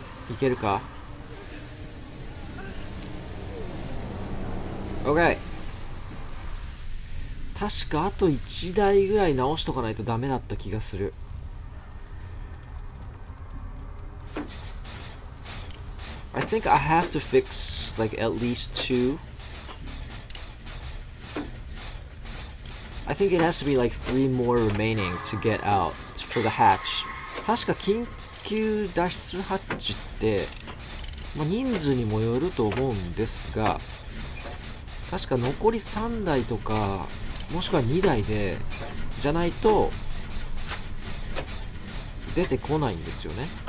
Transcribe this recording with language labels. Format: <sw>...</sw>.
<ja>いけるか。</ja> <en>OK。</en> <ja>確かあと1台ぐらい直しとかないとダメだった気がする。</ja> <en>I think I have to fix like at least two. I think it has to be like three more remaining to get out for the hatch.</en> <ja>確か緊急脱出ハッチって、まあ、人数にもよると思うんですが、確か残り3台とかもしくは2台でじゃないと出てこないんですよね。</ja>